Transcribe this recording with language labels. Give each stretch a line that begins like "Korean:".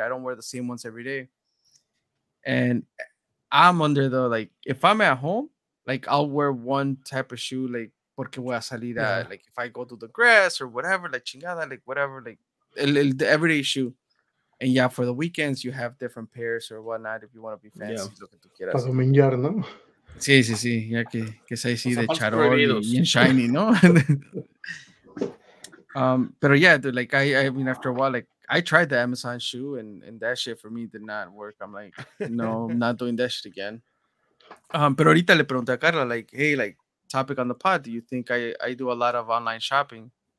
English: I don't wear the same ones every day. And I'm under the, like, if I'm at home, like I'll wear one type of shoe, like,
Spanish: porque voy a salir,
English: like if I go to the grass or whatever, like chingada, like whatever, like the everyday shoe. And yeah, for the weekends, you have different pairs or whatnot if you want to be fancy.
Spanish: Para dominar, ¿no? Sí, sí, sí. Ya que se dice de charol y shiny, ¿no?
English: but yeah, dude, like I mean, after a while, like I tried the Amazon shoe and that shit for me did not work. I'm like, no, I'm not doing that shit again. But
Spanish: ahorita le pregunté a Carla,
English: like, hey, like, topic on the pod. Do you think I do a lot of online shopping?